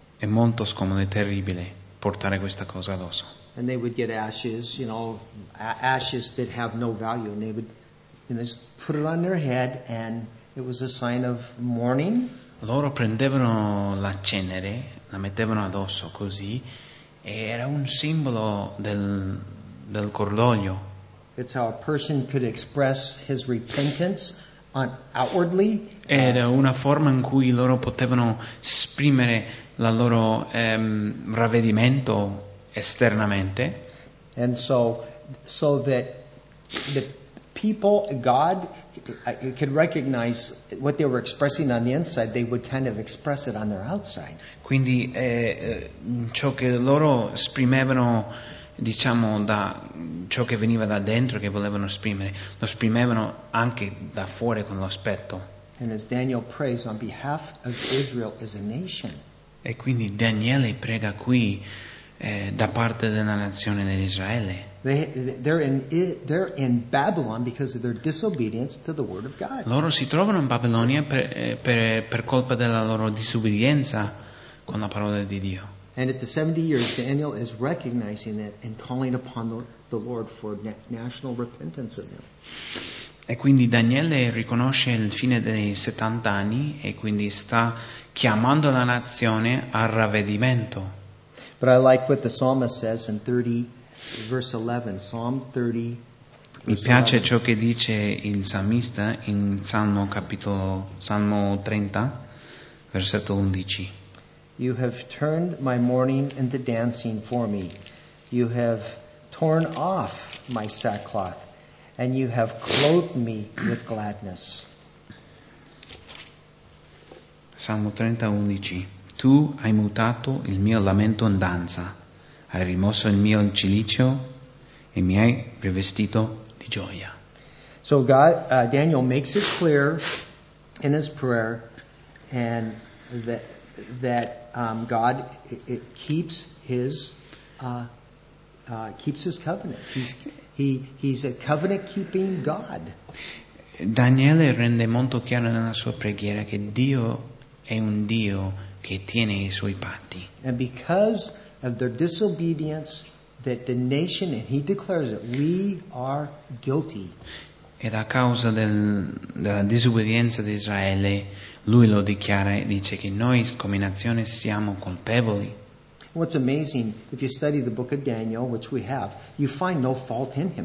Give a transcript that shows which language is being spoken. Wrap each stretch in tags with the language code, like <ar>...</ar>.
<it>È molto scomodo e terribile portare questa cosa addosso.</it> <en>And they would get ashes, you know, ashes that have no value, and they would, you know, just put it on their head, and it was a sign of mourning.</en> <it>Loro prendevano la cenere, la mettevano addosso così, e era un simbolo del cordoglio.</it> <en>It's how a person could express his repentance outwardly.</en> <it>Era una forma in cui loro potevano esprimere la loro ravvedimento esternamente.</it> <en>And so that the people, God, I could recognize what they were expressing on the inside, they would kind of express it on their outside.</en> <it>Quindi ciò che loro esprimevano, diciamo, da ciò che veniva da dentro, che volevano esprimere, lo esprimevano anche da fuori con l'aspetto.</it> <en>And as Daniel prays on behalf of Israel as a nation.</en> <it>E quindi Daniele prega qui da parte della nazione dell'Israele.</it> <en>They're in Babylon because of their disobedience to the word of God.</en> <it>Loro si trovano in Babilonia per colpa della loro disobbedienza con la parola di Dio.</it> <en>And at the 70 years, Daniel is recognizing that and calling upon the Lord for national repentance of him.</en> <it>E quindi Daniele riconosce il fine dei 70 anni e quindi sta chiamando la nazione al ravvedimento.</it> <en>But I like what the psalmist says in 30:11, Psalm 30.</en> <it>Mi piace 11. Ciò che dice il salmista in Salmo 30, versetto 11.</it> <en>You have turned my mourning into dancing for me. You have torn off my sackcloth, and you have clothed me with gladness.</en> <it>Salmo 30, 11. Tu hai mutato il mio lamento in danza, hai rimosso il mio cilicio e mi hai rivestito di gioia.</it> <en>So God, Daniel makes it clear in his prayer, and that God keeps his covenant. He's a covenant-keeping God.</en> <it>Daniele rende molto chiaro nella sua preghiera che Dio è un Dio che tiene i suoi patti.</it> <en>And because of their disobedience, that the nation, and he declares it, we are guilty.</en> <it>Ed a causa della disobbedienza di Israele, lui lo dichiara e dice che noi come nazione siamo colpevoli.</it> <en>What's amazing, if you study the book of Daniel, which we have, you find no fault in him.</en>